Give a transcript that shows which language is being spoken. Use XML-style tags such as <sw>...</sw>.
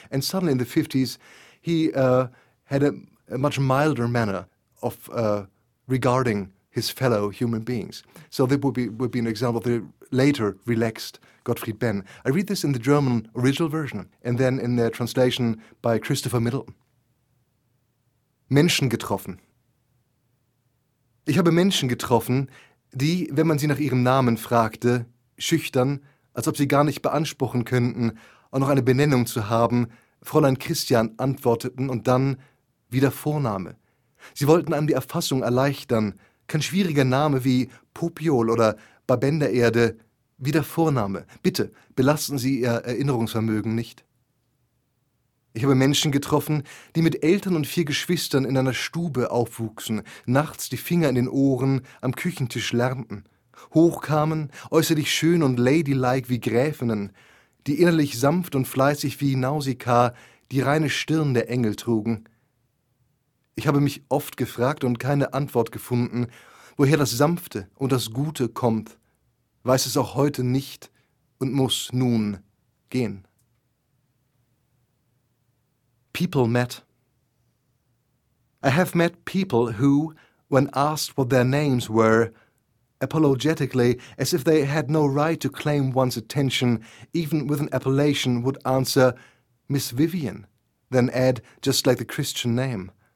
<en>And suddenly in the 50s, he had a much milder manner of regarding his fellow human beings. So that would be an example of the later relaxed Gottfried Benn. I read this in the German original version, and then in the translation by Christopher Middle.</en> <de>Menschen getroffen. Ich habe Menschen getroffen, die, wenn man sie nach ihrem Namen fragte, schüchtern, als ob sie gar nicht beanspruchen könnten, auch noch eine Benennung zu haben, Fräulein Christian antworteten und dann wieder Vorname. Sie wollten einem die Erfassung erleichtern, kein schwieriger Name wie Popiol oder Babendererde, wieder Vorname. Bitte belasten Sie Ihr Erinnerungsvermögen nicht. Ich habe Menschen getroffen, die mit Eltern und vier Geschwistern in einer Stube aufwuchsen, nachts die Finger in den Ohren am Küchentisch lernten, hochkamen, äußerlich schön und ladylike wie Gräfinnen, die innerlich sanft und fleißig wie Nausikaa die reine Stirn der Engel trugen. Ich habe mich oft gefragt und keine Antwort gefunden, woher das Sanfte und das Gute kommt, weiß es auch heute nicht und muss nun gehen.</de> <en>People met. I have met people who, when asked what their names were, apologetically, as if they had no right to claim one's attention, even with an appellation, would answer, Miss Vivian, then add, just like the Christian name.</en>